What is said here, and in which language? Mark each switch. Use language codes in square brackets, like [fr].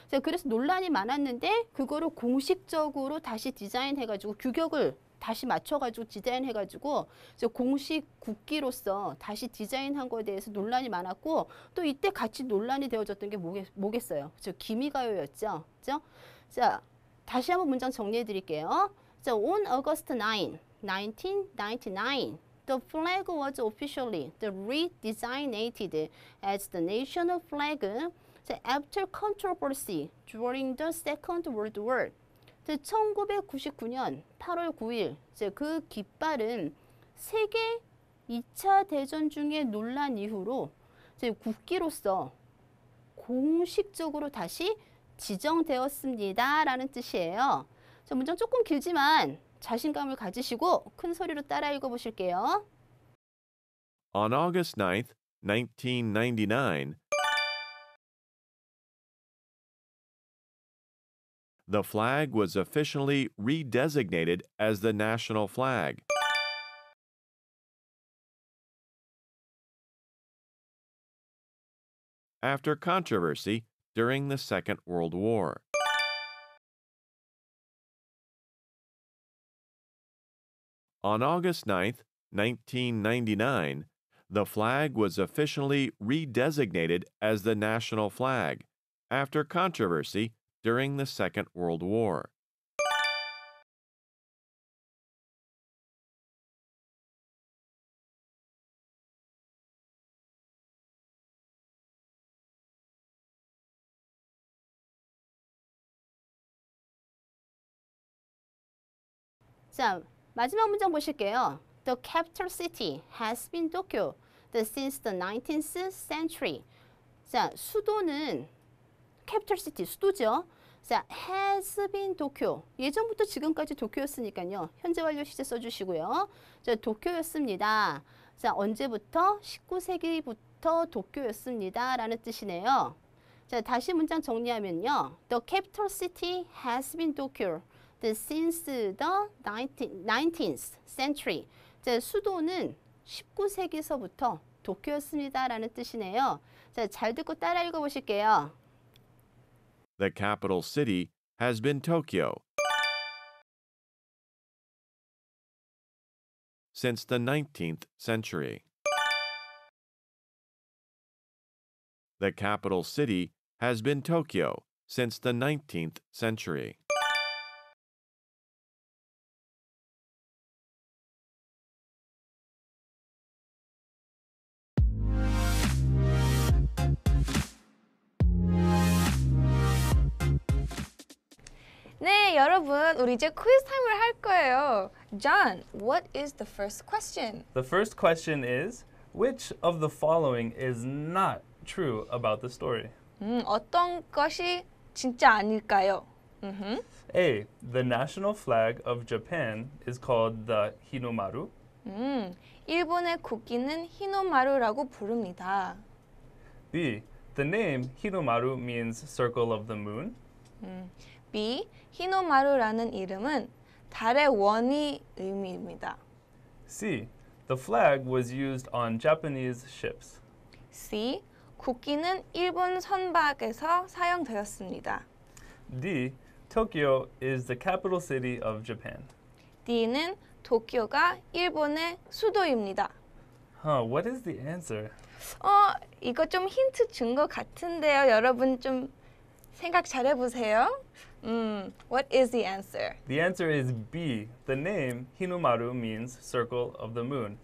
[ko] 그래서 논란이 많았는데 그거를 공식적으로 다시 디자인해가지고 규격을 다시 맞춰가지고 디자인해가지고 공식 국기로서 다시 디자인한 거에 대해서 논란이 많았고 또 이때 같이 논란이 되어졌던 게 뭐겠어요? 저 기미가요였죠. 그렇죠? 자, 다시 한번 문장 정리해드릴게요. [en] So on August 9, 1999. The flag was officially redesignated as the national flag after controversy during the Second World War. [ko] 1999년 8월 9일 그 깃발은 세계 2차 대전 중에 논란 이후로 국기로서 공식적으로 다시 지정되었습니다. 라는 뜻이에요. 문장 조금 길지만 자신감을 가지시고 큰 소리로 따라 읽어보실게요. [en] On August 9th, 1999, the flag was officially redesignated as the national flag. After controversy during the Second World War. On August 9th, 1999, the flag was officially redesignated as the national flag after controversy during the Second World War. [ko] So, 마지막 문장 보실게요. [en] The capital city has been Tokyo since the 19th century. [ko] 자, 수도는 [en] capital city, [ko] 수도죠. [en] 자, has been Tokyo. [ko] 예전부터 지금까지 도쿄였으니까요. 현재 완료 시제 써주시고요. 자, 도쿄였습니다. 자, 언제부터? 19세기부터 도쿄였습니다. 라는 뜻이네요. 자, 다시 문장 정리하면요. [en] The capital city has been Tokyo since the 19th century. [ko] 자, 수도는 19세기서부터 도쿄였습니다. 라는 뜻이네요. 자, 잘 듣고 따라 읽어보실게요. [en] The capital city has been Tokyo since the 19th century. The capital city has been Tokyo since the 19th century. [ko] 네, 여러분, 우리 이제 퀴즈 타임을 할 거예요. [en] John, what is the first question? The first question is, which of the following is not true about the story? [ko] 어떤 것이 진짜 아닐까요? [en] A, the national flag of Japan is called the Hinomaru. [ko] 일본의 국기는 히노마루라고 부릅니다. [en] B, the name Hinomaru means circle of the moon. B. [ko] 히노마루라는 이름은 달의 원이 의미입니다. [en] C. The flag was used on Japanese ships. C. [ko] 국기는 일본 선박에서 사용되었습니다. [en] D. Tokyo is the capital city of Japan. [ko] D는 도쿄가 일본의 수도입니다. [en] What is the answer? [ko] 이거 좀 힌트 준 것 같은데요. 여러분 좀 생각 잘 해보세요. [en] What is the answer? The answer is B. The name Hinumaru means circle of the moon.